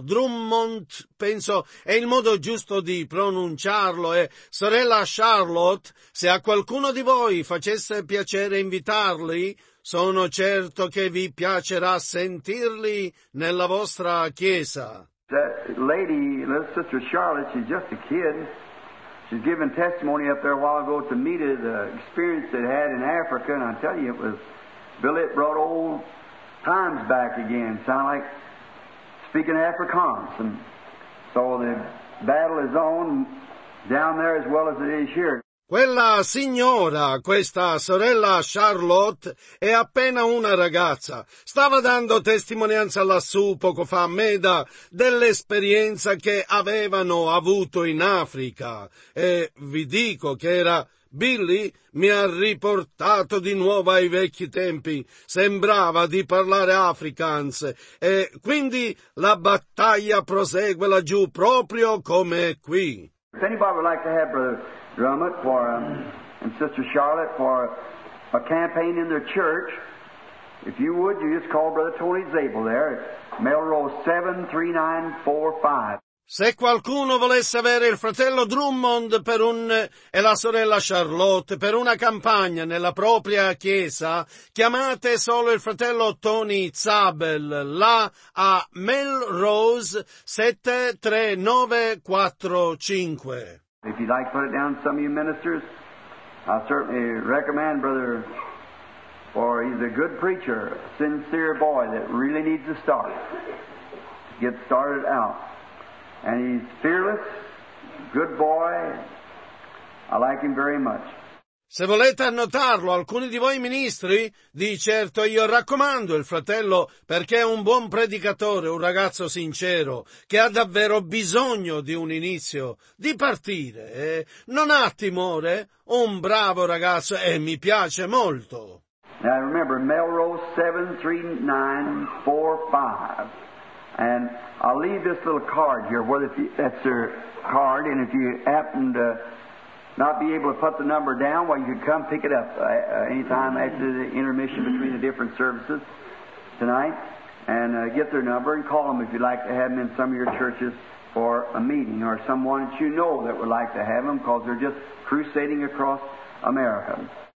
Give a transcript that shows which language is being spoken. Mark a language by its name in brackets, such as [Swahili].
[Italian] Drummond, penso, è il modo giusto di pronunciarlo. E sorella Charlotte, se a qualcuno di voi facesse piacere invitarli, sono certo che vi piacerà sentirli nella vostra chiesa. [English] That lady, little sister Charlotte, she's just a kid. She's giving testimony up there a while ago to meet it, the experience it had in Africa. And I tell you, it brought old times back again. Sound like speaking Afrikaans. And so the battle is on down there as well as it is here. [Italian] Quella signora, questa sorella Charlotte, è appena una ragazza. Stava dando testimonianza lassù poco fa a Meda dell'esperienza che avevano avuto in Africa. E vi dico che era Billy, mi ha riportato di nuovo ai vecchi tempi. Sembrava di parlare Afrikaans. E quindi la battaglia prosegue laggiù proprio come qui. [English] If anybody would like to have Brother Drummond for and Sister Charlotte for a campaign in their church, if you would, you just call Brother Tony Zabel there at Melrose 73945. [Italian] Se qualcuno volesse avere il fratello Drummond per un e la sorella Charlotte per una campagna nella propria chiesa, chiamate solo il fratello Tony Zabel là a Melrose 73945. [English] If you'd like to put it down, some of you ministers, I certainly recommend Brother, for he's a good preacher, a sincere boy that really needs to start, get started out. And he's fearless, good boy, I like him very much. [Italian] Se volete annotarlo, alcuni di voi ministri, di certo io raccomando il fratello perché è un buon predicatore, un ragazzo sincero, che ha davvero bisogno di un inizio, di partire. Non ha timore, un bravo ragazzo e mi piace molto. [English] Now remember, Melrose 73945. And I'll leave this little card here, that's their card, and if you happen to not be able to put the number down, well, you can come pick it up anytime after the intermission between the different services tonight and get their number and call them if you'd like to have them in some of your churches for a meeting or someone that you know that would like to have them because they're just crusading across America.